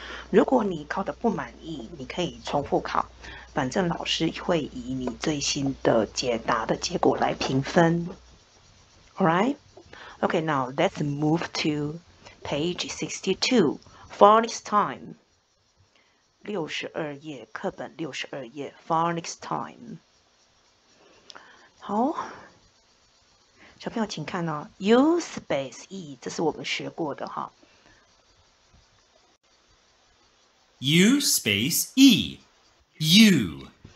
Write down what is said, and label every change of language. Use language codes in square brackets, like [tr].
[zh] 如果你考得不满意，你可以重复考，反正老师会以你最新的解答的结果来评分。 [en] All right? Okay, now let's move to page 62, phonics time. [zh] 62页，课本62页，phonics time. 好。小朋友，请看哦，U space E，这是我们学过的哈。 [en] U space E, U.